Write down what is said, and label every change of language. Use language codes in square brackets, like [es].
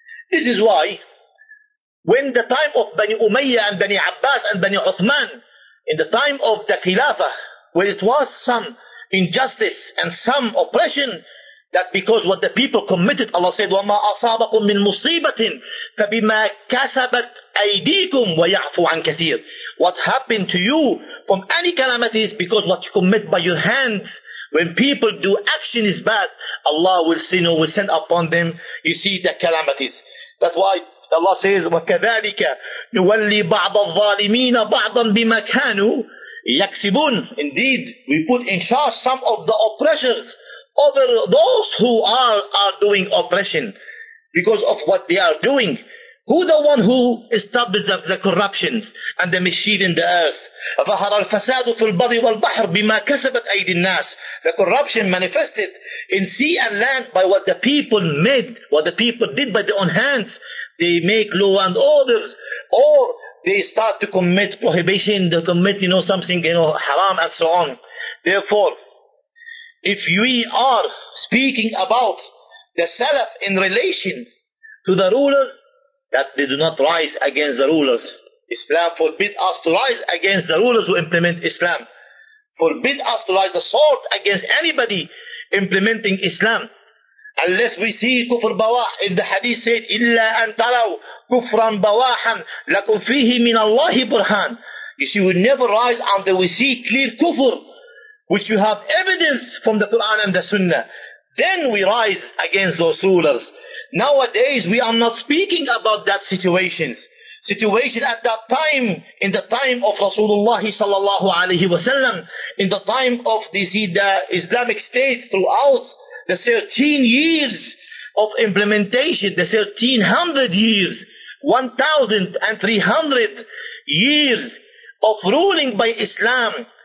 [en] This is why when the time of Bani Umayyah and Bani Abbas and Bani Uthman, in the time of the Khilafah, where it was some injustice and some oppression, that because what the people committed, Allah said, [ar] وَمَا أَصَابَكُم مِّن مُصِيبَةٍ فَبِمَا كَسَبَتْ أَيْدِيكُمْ وَيَعْفُوا عَنْ كَثِيرٍ. [en] What happened to you from any calamity is because what you commit by your hands. When people do action is bad, Allah will send, or will send upon them, you see, the calamities. That's why Allah says, [ar] وَكَذَلِكَ نُوَلِّي بَعْضَ الظَّالِمِينَ بَعْضًا بِمَا كَانُوا يَكْسِبُونَ. [en] Indeed, we put in charge some of the oppressors over those who are doing oppression because of what they are doing. Who the one who established the corruptions and the mischief in the earth? [ar] ظَهَرَ الْفَسَادُ فِي الْبَرِّ وَالْبَحْرِ بِمَا كَسَبَتْ أَيْدِ النَّاسِ. [en] The corruption manifested in sea and land by what the people made, what the people did by their own hands. They make law and orders, or they start to commit prohibition, they commit, you know, something, you know, haram and so on. Therefore, if we are speaking about the Salaf in relation to the rulers, that they do not rise against the rulers. Islam forbid us to rise against the rulers who implement Islam. Forbid us to rise the sword against anybody implementing Islam. Unless we see kufr bawah, in the hadith said, [ar] إِلَّا أَن تَرَوْا كُفْرًا بَوَاحًا لَكُمْ فِيهِ مِنَ اللَّهِ بُرْهَانٍ. [en] You see, we never rise until we see clear kufr, which you have evidence from the Quran and the Sunnah. Then we rise against those rulers. Nowadays, we are not speaking about that situations. Situation at that time, in the time of Rasulullah sallallahu alayhi wa sallam, in the time of the Islamic State, throughout the 13 years of implementation, the 1300 years, 1300 years of ruling by Islam,